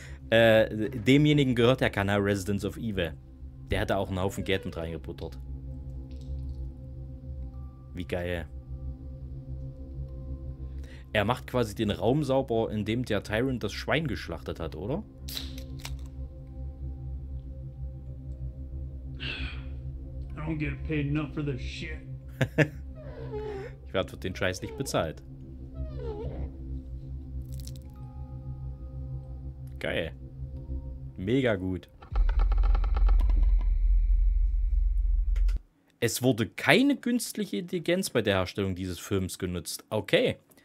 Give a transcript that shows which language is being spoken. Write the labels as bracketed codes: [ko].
[de] Demjenigen gehört der Kanal Residents of Evil. Der hat da auch einen Haufen Geld mit reingebuttert. Wie geil. Er macht quasi den Raum sauber, in dem der Tyrant das Schwein geschlachtet hat, oder? [en] I don't get paid enough for this shit. [de] Ich werde für den Scheiß nicht bezahlt. Geil. Mega gut. Es wurde keine künstliche Intelligenz bei der Herstellung dieses Films genutzt. Okay.